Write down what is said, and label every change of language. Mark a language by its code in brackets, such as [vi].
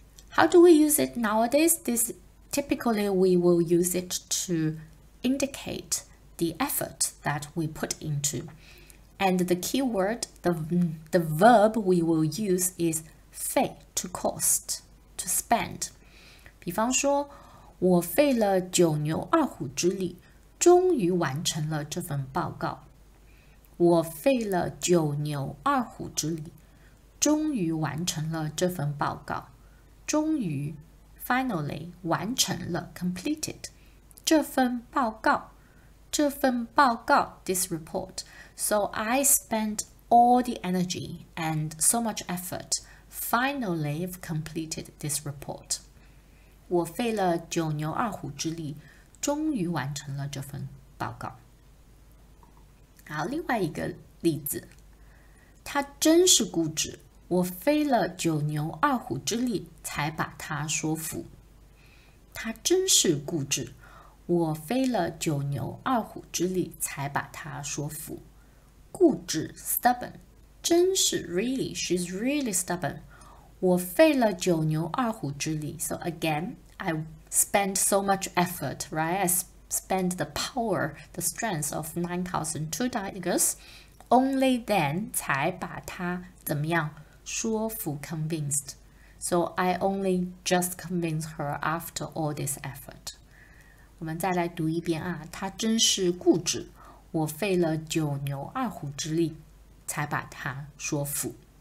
[en] How do we use it nowadays? This, typically, we will use it to indicate the effort that we put into. And the key word, the verb we will use is 费, to cost, to spend. [zh] 比方说,我费了九牛二虎之力,终于完成了这份报告。我费了九牛二虎之力,终于完成了这份报告。终于, finally, 完成了, completed, 这份报告。这份报告, this report. [en] So I spent all the energy and so much effort. Finally, I've completed this report. [zh] 我费了九牛二虎之力,终于完成了这份报告。好,另外一个例子。他真是固执,我费了九牛二虎之力才把他说服。他真是固执。我费了九牛二虎之力才把他说服。 [en] 固执 stubborn, 真是 really, she's really stubborn. [zh] 我费了九牛二虎之力。 [en] So again, I spent so much effort, right? I spent the power, the strength of 9,002 tigers. Only then [zh] 才把他怎么样说服 [en] convinced. So I only just convinced her after all this effort. [zh] 我们再来读一遍啊，他真是固执，我费了九牛二虎之力才把他说服。